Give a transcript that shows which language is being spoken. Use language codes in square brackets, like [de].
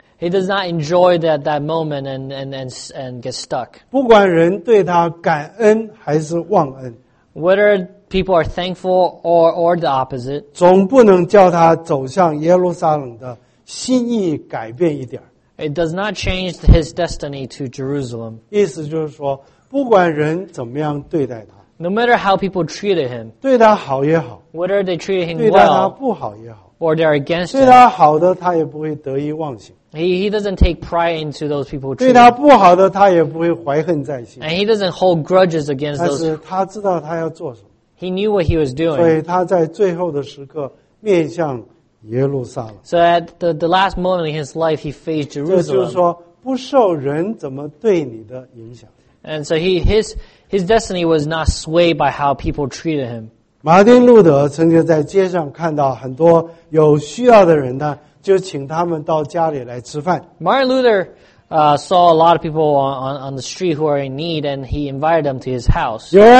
[en] does not enjoy that moment and get stuck. [zh] 不管人对他感恩还是忘恩, [en] whether people are thankful or the opposite. [zh] 总不能叫他走向耶路撒冷的心意改变一点。 [en] It does not change his destiny to Jerusalem. [zh] 意思就是说，不管人怎么样对待他。 [en] No matter how people treated him. [zh] 对他好也好。 [en] Whether they treated him [zh] 对待他不好也好, [en] well. Or they're against [zh] 对他好的他也不会得意忘形。 [en] He doesn't take pride into those people. [zh] 对他不好的，他也不会怀恨在心。 [en] And he doesn't hold grudges against those. [zh] 但是他知道他要做什么。 [en] He knew what he was doing. [zh] 所以他在最后的时刻面向耶路撒冷。 [en] So at the last moment in his life, he faced Jerusalem. [zh] 这就是说，不受人怎么对你的影响。 [en] And so his destiny was not swayed by how people treated him. [zh] 马丁路德曾经在街上看到很多有需要的人呢。就请他们到家里来吃饭。Martin [en] Luther saw a lot of people on the street who are in need, and he invited them to his house.